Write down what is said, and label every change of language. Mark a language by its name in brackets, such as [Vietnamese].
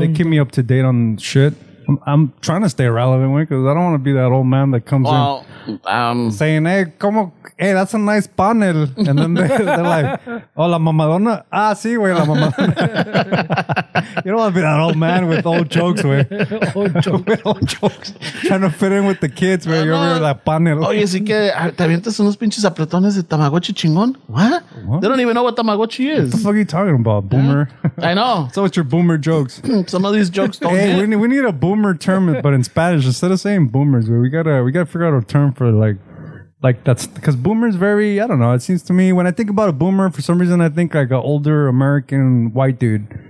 [English] They keep me up to date on shit. I'm trying to stay relevant, because I don't want to be that old man that comes saying, hey, como, hey, that's a nice panel. And then they're like, [Spanish] oh, la mamadona. Ah, sí, güey, la mamadona. [English] You don't want to be that old man with old jokes, güey. old jokes. Trying to fit in with the kids, güey. You're over that panel. [Spanish] Oye, así que te avientas unos pinches apretones de Tamagotchi chingón. [English] What? They don't even know what Tamagotchi is. What the fuck are you talking about, boomer? I know. So what's your boomer jokes? Some of these jokes don't hit. We need a boomer term, but in Spanish, instead of saying boomers, we gotta figure out a term for like that's because boomers very, I don't know, it seems to me when I think about a boomer, for some reason I think like an older American white dude.